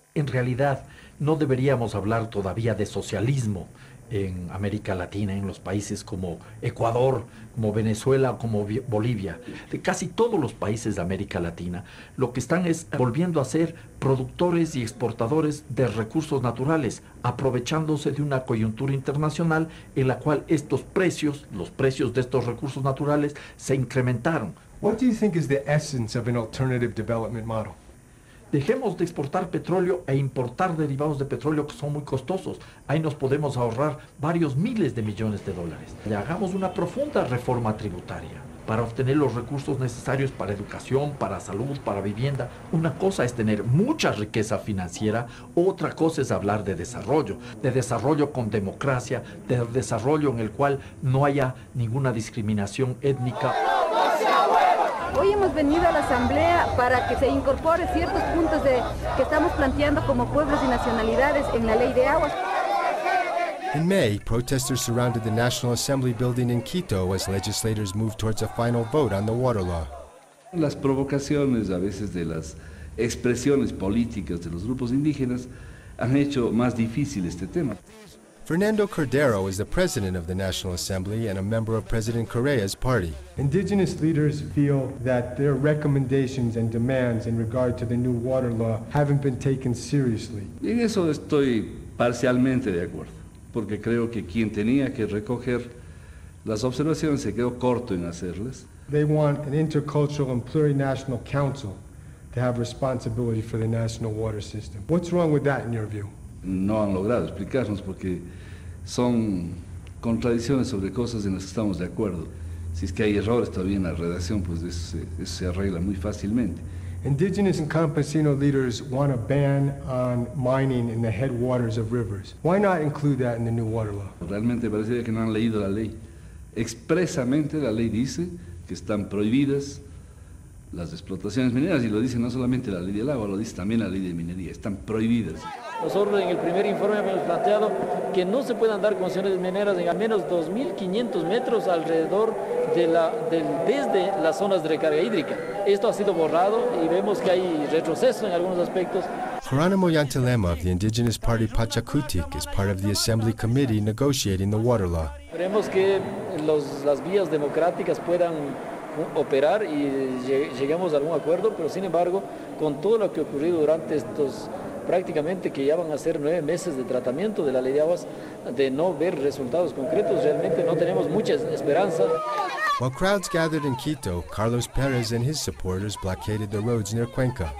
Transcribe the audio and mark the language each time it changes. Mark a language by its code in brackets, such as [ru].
[es] En realidad, no deberíamos hablar todavía de socialismo en América Latina, en los países como Ecuador, como Venezuela, como Bolivia, de casi todos los países de América Latina, lo que están es volviendo a ser productores y exportadores de recursos naturales, aprovechándose de una coyuntura internacional en la cual estos precios, los precios de estos recursos naturales, se incrementaron. [en] What do you think is the essence of an alternative development model? [es] Dejemos de exportar petróleo e importar derivados de petróleo que son muy costosos. Ahí nos podemos ahorrar varios miles de millones de dólares. Le hagamos una profunda reforma tributaria para obtener los recursos necesarios para educación, para salud, para vivienda. Una cosa es tener mucha riqueza financiera, otra cosa es hablar de desarrollo con democracia, de desarrollo en el cual no haya ninguna discriminación étnica. Hoy hemos venido a la asamblea para que se incorpore ciertos puntos que estamos planteando como pueblos y nacionalidades en la ley de aguas. [en] In May, protesters surrounded the National Assembly building in Quito as legislators moved towards a final vote on the water law. [es] Las provocaciones a veces de las expresiones políticas de los grupos indígenas han hecho más difícil este tema. [en] Fernando Cordero is the president of the National Assembly and a member of President Correa's party. Indigenous leaders feel that their recommendations and demands in regard to the new water law haven't been taken seriously. [es] En eso estoy parcialmente de acuerdo, porque creo que quien tenía que recoger las observaciones se quedó corto en hacerlas. [en] They want an intercultural and plurinational council to have responsibility for the national water system. What's wrong with that in your view? [es] No han logrado explicarnos porque son contradicciones sobre cosas en las que estamos de acuerdo. Si es que hay errores todavía en la redacción, pues eso se arregla muy fácilmente. [en] Indigenous and campesino leaders want a ban on mining in the headwaters of rivers. Why not include that in the new water law? [es] Realmente parecería que no han leído la ley. Expresamente la ley dice que están prohibidas las explotaciones mineras, y lo dice no solamente la ley del agua, lo dice también la ley de minería, están prohibidas. Nosotros en el primer informe hemos planteado que no se puedan dar concesiones mineras en al menos 2.500 metros alrededor de desde las zonas de recarga hídrica. Esto ha sido borrado y vemos que hay retroceso en algunos aspectos. [en] Geronimo Yantelema of the Indigenous Party Pachakutik is part of the Assembly Committee negotiating the water law. [es] Queremos que las vías democráticas puedan operar y lleguemos a algún acuerdo, pero sin embargo, con todo lo que ha ocurrido durante estos prácticamente que ya van a ser 9 meses de tratamiento de la ley de aguas, de no ver resultados concretos, realmente no tenemos mucha esperanza. [en] While crowds gathered in Quito, Carlos Perez and his supporters blockaded the roads near Cuenca.